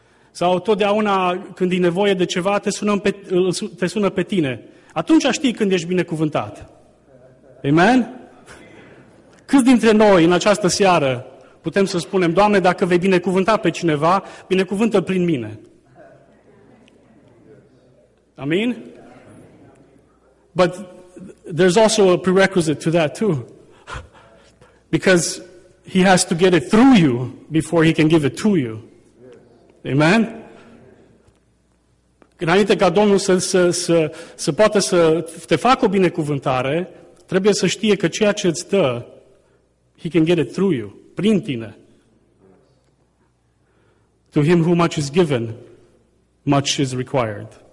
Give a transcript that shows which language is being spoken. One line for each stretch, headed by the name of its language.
Romanian: Sau totdeauna când e nevoie de ceva, te sună pe tine. Atunci știi când ești binecuvântat. Amen? Câți dintre noi în această seară putem să spunem, Doamne, dacă vei binecuvânta pe cineva, binecuvântă-l prin mine. Amin?
English: But there's also a prerequisite to that too. Because he has to get it through you before he can give it to you. Amen?
Romanian: Înainte ca Domnul să poată să te facă o binecuvântare, trebuie să știe că ceea ce îți dă,
English: he can get it through you,
Romanian: prin tine.
English: To him who much is given, much is required.